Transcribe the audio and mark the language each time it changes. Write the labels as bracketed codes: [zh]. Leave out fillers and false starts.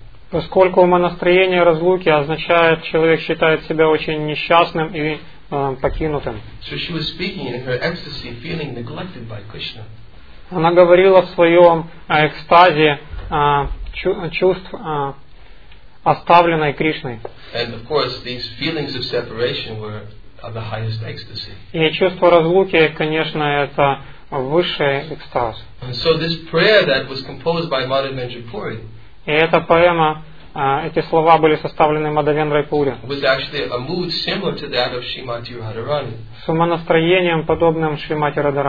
[ru] Поскольку умонастроение разлуки означает, человек считает себя очень несчастным и покинутым. [en] So she was speaking in her ecstasy, feeling neglected by Krishna. [ru] Она говорила в своем экстазе чувств оставленной Кришной. [en] And of course, these feelings of separation were of the highest ecstasy. [ru] И чувство разлуки, конечно, это высший экстаз. [en] And so this prayer that was composed by Madhavendra Puri. [ru] И эта поэма. Эти слова были составлены Мадхавендрой Пури. С умонастроением, подобным Шримати